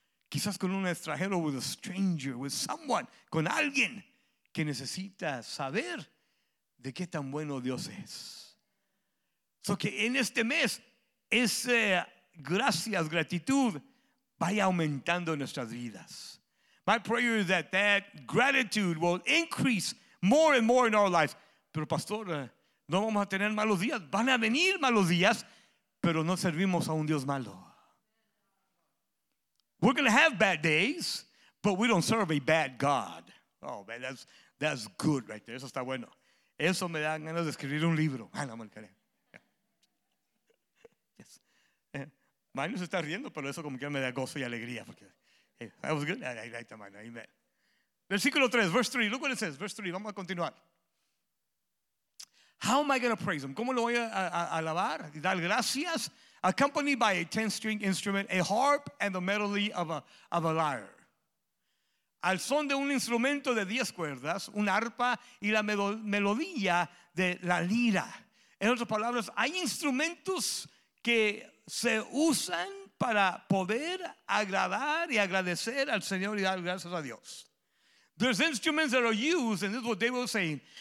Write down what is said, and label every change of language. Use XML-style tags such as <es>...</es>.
<es>Quizás con un extranjero,</es> <en>with a stranger, with someone,</en> <es>con alguien que necesita saber de qué tan bueno Dios es. So que en este mes, ese gracias, gratitud, vaya aumentando nuestras vidas.</es> <en>My prayer is that that gratitude will increase more and more in our lives.</en> <es>Pero pastor, no vamos a tener malos días. Van a venir malos días, pero no servimos a un Dios malo.</es> <en>We're going to have bad days, but we don't serve a bad God. Oh, man, that's good right there.</en> <es>Eso está bueno. Eso me da ganas de escribir un libro. Ah, no, me lo creo. Yes. Mano se está riendo, pero eso como que me da gozo y alegría.</es> <en>Porque, hey, that was good. I like that, man. Amen.</en> <es>Versículo 3,</es> <en>verse 3. Look what it says. Verse 3,</en> <es>vamos a continuar.</es> <en>How am I going to praise him?</en> <es>¿Cómo lo voy a alabar? Dar gracias.</es> <en>Accompanied by a 10-string instrument, a harp, and the melody of a lyre.</en> <es>Al son de un instrumento de 10 cuerdas, un arpa y la melodía de la lira. En otras palabras, hay instrumentos que se usan para poder agradar y agradecer al Señor y dar gracias a Dios.</es> <en>There's instruments that are used, and this is what David was saying.</en>